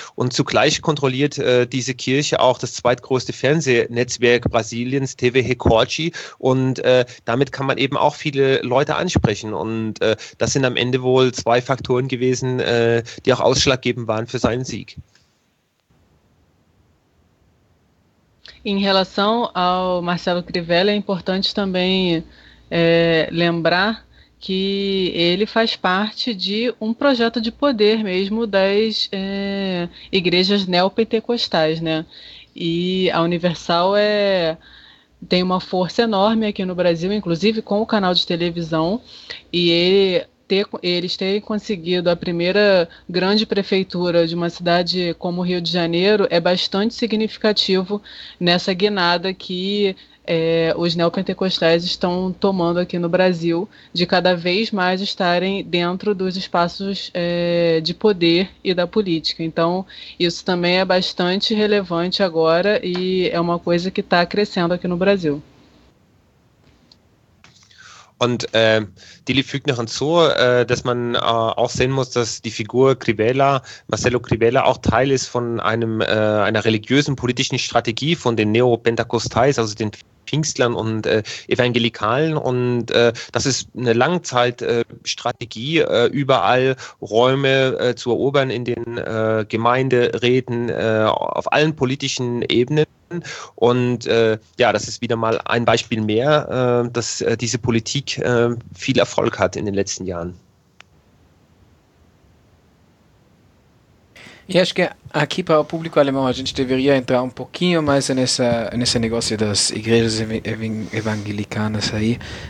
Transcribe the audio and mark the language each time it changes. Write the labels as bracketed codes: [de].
[de] Und zugleich kontrolliert diese Kirche auch das zweitgrößte Fernsehnetzwerk Brasiliens, TV Recorde. Und damit kann man eben auch viele Leute ansprechen. Und das sind am Ende wohl zwei Faktoren gewesen, die auch ausschlaggebend waren für seinen Sieg. [pt] In relação ao Marcelo Crivella, é importante também lembrar que ele faz parte de um projeto de poder mesmo das igrejas neopentecostais, né? E a Universal tem uma força enorme aqui no Brasil, inclusive com o canal de televisão, e eles terem conseguido a primeira grande prefeitura de uma cidade como o Rio de Janeiro é bastante significativo nessa guinada que os neopentecostais estão tomando aqui no Brasil, de cada vez mais estarem dentro dos espaços de poder e da política. Então, isso também é bastante relevante agora e é uma coisa que está crescendo aqui no Brasil. [de] Und Dili fügt noch hinzu, dass man auch sehen muss, dass die Figur Crivella, Marcelo Crivella, auch Teil ist von einer religiösen politischen Strategie von den Neopentecostais, also den Pfingstlern und Evangelikalen. Und das ist eine Langzeitstrategie, überall Räume zu erobern in den Gemeinderäten auf allen politischen Ebenen. Und ja, das ist wieder mal ein Beispiel mehr, dass diese Politik viel Erfolg hat in den letzten Jahren. [pt] E acho que aqui para o público alemão a gente deveria entrar um pouquinho mais nesse negócio das igrejas evangelicanas aí.